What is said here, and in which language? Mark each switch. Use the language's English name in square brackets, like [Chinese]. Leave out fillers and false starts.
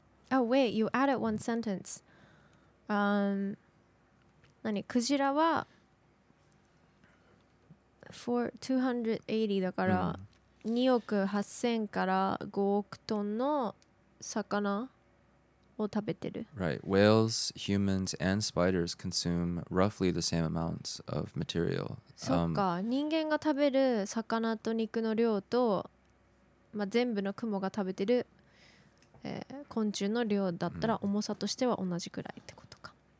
[English] Oh wait, you added one sentence. [Japanese] 何クジラは280だから、うん、2億8000から5億トンの魚を食べてる。 [English] Right. Whales, humans, and spiders consume roughly the same amounts of material. [Japanese] そっか。人間が食べる魚と肉の量と、まあ、全部のクモが食べてる、昆虫の量だったら重さとしては同じくらいってことか。